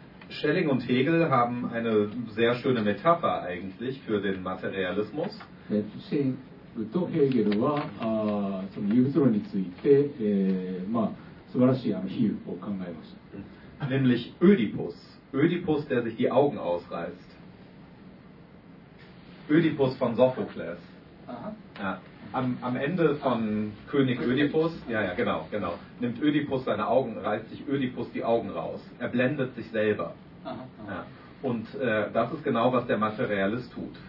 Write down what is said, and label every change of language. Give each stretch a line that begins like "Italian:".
German: Schelling und Hegel haben eine sehr schöne Metapher eigentlich für den Materialismus.
Japanese: Schelling とヘーゲルはその唯物論について、まあ、素晴らしい比喩を考えました。
German: Nämlich Ödipus. Ödipus, der sich die Augen ausreißt. Ödipus von Sophokles. Ja. Am Ende von König Ödipus, ja, ja, genau, genau, nimmt Ödipus seine Augen, reißt sich Ödipus die Augen raus. Er blendet sich selber. Ja. Und das ist genau, was der Materialist tut.